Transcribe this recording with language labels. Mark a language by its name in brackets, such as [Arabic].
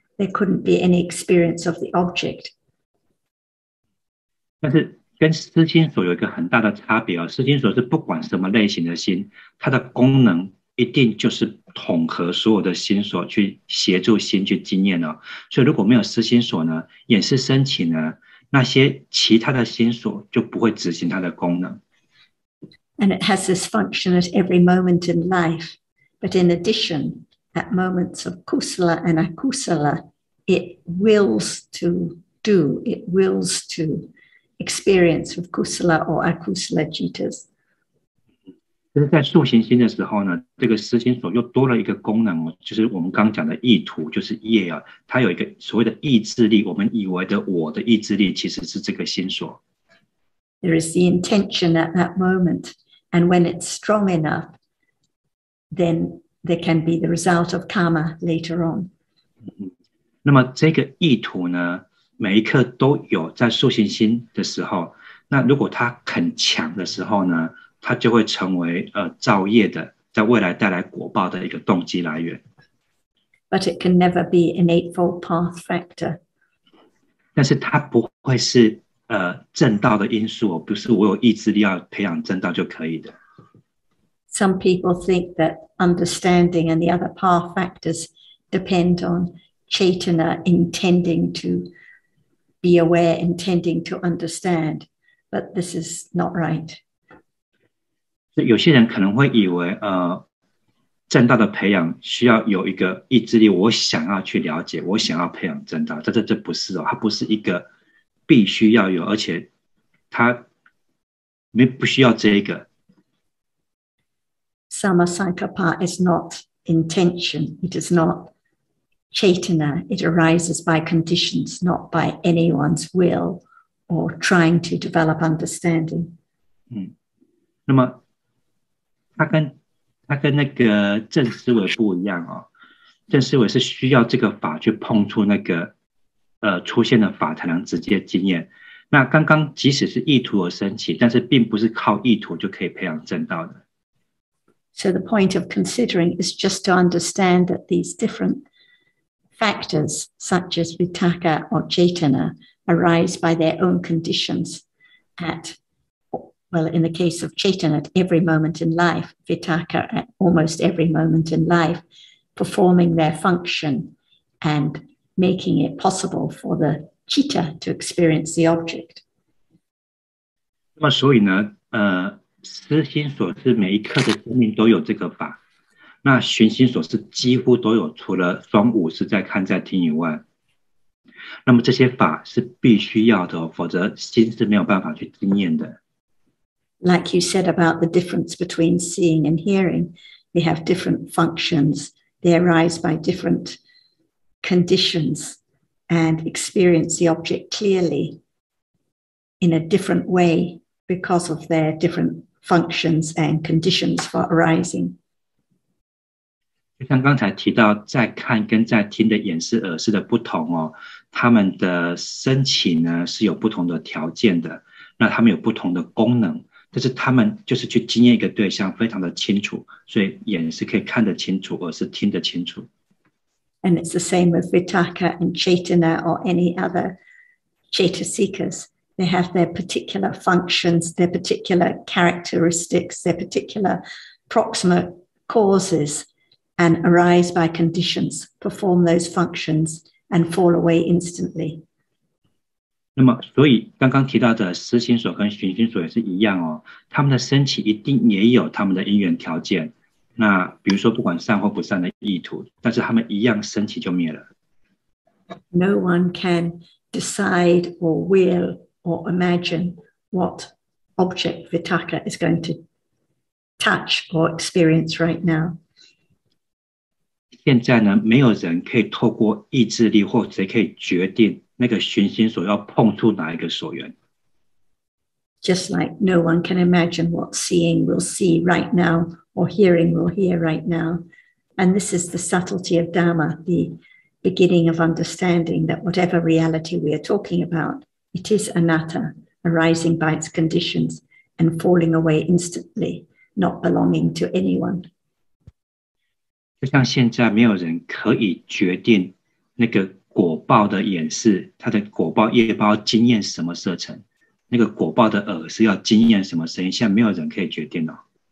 [English] There couldn't be any experience of the object. [Chinese] 但是跟思心所有一个很大的差别哦，思心所是不管什么类型的心，它的功能一定就是统合所有的心所，去协助心去经验哦。所以如果没有思心所呢，眼识升起呢，那些其他的心所就不会执行它的功能。 [English] And it has this function at every moment in life, but in addition. At moments of kusala and akusala, it wills to do, it wills to experience with kusala or akusala jitas. [Chinese] 就是在塑形心的时候呢，这个思心所又多了一个功能，就是我们刚讲的意图，就是业啊，它有一个所谓的意志力，我们以为的我的意志力其实是这个心所。 [English] There is the intention at that moment. And when it's strong enough, then there can be the result of karma later on. [Chinese] 那么这个意图呢，每一刻都有在塑形心的时候，那如果它很强的时候呢，它就会成为造业的，在未来带来果报的一个动机来源。 [English] But it can never be an eightfold path factor. [Chinese] 但是它不会是正道的因素，不是我有意志力要培养正道就可以的。 [English] Some people think that understanding and the other path factors depend on Chaitanya intending to be aware, intending to understand, but this is not right. [Chinese] 有些人可能会以为正道的培养需要有一个意志力，我想要去了解，我想要培养正道，但这不是哦，它不是一个必须要有，而且它不需要这个。 [English] Samasankappa is not intention, it is not Chaitanya, it arises by conditions, not by anyone's will or trying to develop understanding. [Chinese] 那么它跟那个正思维不一样哦，正思维是需要这个法去碰触那个出现的法才能直接经验，那刚刚即使是意图而升起，但是并不是靠意图就可以培养正道的。 [English] So the point of considering is just to understand that these different factors, such as vitaka or chaitana, arise by their own conditions. In the case of chaitana, at every moment in life, vitaka at almost every moment in life, performing their function and making it possible for the citta to experience the object. [Chinese] 那么所以呢，思心所是每一刻的生命都有这个法，那寻心所是几乎都有，除了双五是在看在听以外，那么这些法是必须要的，否则心是没有办法去经验的。 [English] Like you said about the difference between seeing and hearing, they have different functions. They arise by different conditions and experience the object clearly in a different way because of their different functions and conditions for arising. [Chinese] 就像刚才提到在看跟在听的眼识耳识的不同哦，他们的升起呢是有不同的条件的，那他们有不同的功能，但是他们就是去经验一个对象非常的清楚，所以眼是可以看得清楚，耳是听得清楚。 [English] And it's the same with Vitaka and Chaitanya or any other Chaitasikas. They have their particular functions, their particular characteristics, their particular proximate causes and arise by conditions, perform those functions and fall away instantly. [Chinese] 那么所以刚刚提到的思心所跟寻心所也是一样哦，他们的升起一定也有他们的因缘条件。那比如说不管善或不善的意图，但是他们一样升起就灭了。 [English] No one can decide or will or imagine what object Vitaka is going to touch or experience right now. [Chinese] 现在呢，没有人可以透过意志力或者可以决定那个寻心所要碰触哪一个所缘。 [English] Just like no one can imagine what seeing will see right now or hearing will hear right now. And this is the subtlety of Dhamma, the beginning of understanding that whatever reality we are talking about, it is anatta, arising by its conditions and falling away instantly, not belonging to anyone. [Chinese] 就像现在没有人可以决定那个果报的演示，它的果报业报经验什么色尘。那个果报的耳是要经验什么声音？现在没有人可以决定了。